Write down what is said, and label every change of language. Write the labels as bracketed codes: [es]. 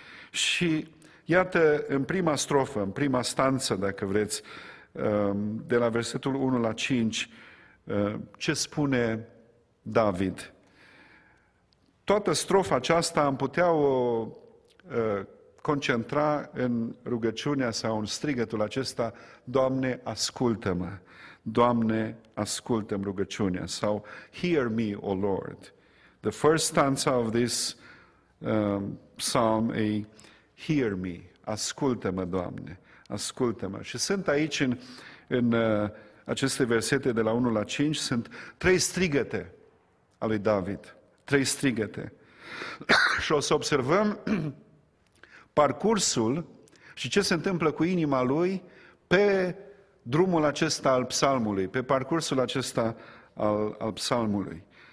[ro] Și iată, în prima strofă, în prima stanță, dacă vreți, de la versetul 1 la 5, ce spune David. Toată strofa aceasta am putea o concentra în rugăciunea sau în strigătul acesta: Doamne, ascultă-mă! Doamne, ascultă-mă rugăciunea! [en] Sau, hear me, O Lord! The first stanza of this psalm e: hear me! [ro] Ascultă-mă, Doamne! Ascultă-mă! Și sunt aici în aceste versete de la 1 la 5, sunt 3 strigăte a lui David. 3 strigăte. Și o să observăm parcursul și ce se întâmplă cu inima lui pe drumul acesta al psalmului, pe parcursul acesta al psalmului.